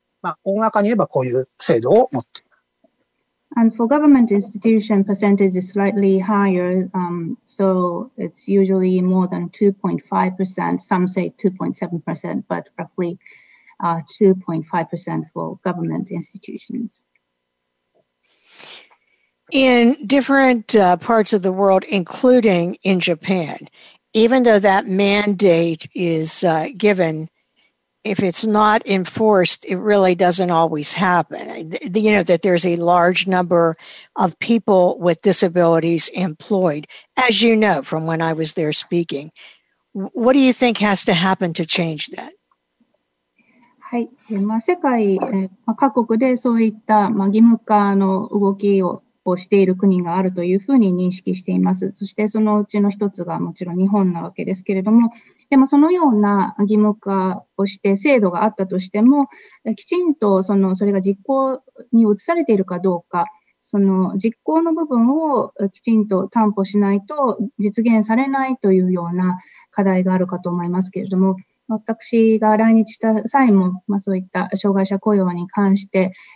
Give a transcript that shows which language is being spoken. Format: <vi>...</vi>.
<ja>まあ、大まかに言えばこういう制度を持っています。</ja> <en>And for government institution, percentage is slightly higher, so it's usually more than 2.5%, some say 2.7%, but roughly 2.5% for government institutions. in different parts of the world, including in Japan, even though that mandate is given, if it's not enforced, it really doesn't always happen. You know, that there's a large number of people with disabilities employed, as you know from when I was there speaking. What do you think has to happen to change that?</en> <ja>はい、まあ、世界、各国でそういった、まあ、義務化の動き をしている国があるというふうに認識しています。そしてそのうちの一つがもちろん日本なわけですけれども、でもそのような義務化をして制度があったとしても、きちんとそれが実行に移されているかどうか、その実行の部分をきちんと担保しないと実現されないというような課題があるかと思いますけれども、私が来日した際も、まあ、そういった障害者雇用に関して、</ja>